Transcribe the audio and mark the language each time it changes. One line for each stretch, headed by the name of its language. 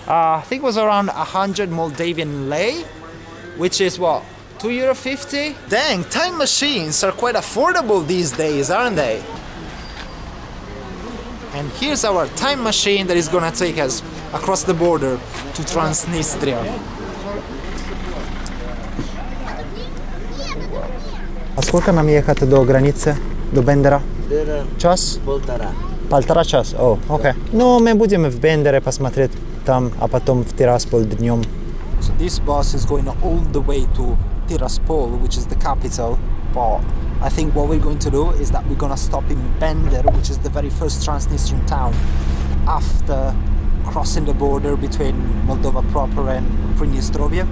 English: I think it was around 100 Moldavian lei, which is what, €2.50? Dang, time machines are quite affordable these days, aren't they? And here's our time machine that is going to take us across the border to Transnistria.
Russian: А сколько нам ехать до границы, до Бендера? Час? Полтора час? О, окей. Ну, мы будем в Бендере посмотреть там, а потом в Тирасполь днем.
English: So this bus is going all the way to Tiraspol, which is the capital. But I think what we're going to do is that we're going to stop in Bender, which is the very first Transnistrian town after crossing the border between Moldova proper and Pridnestrovia.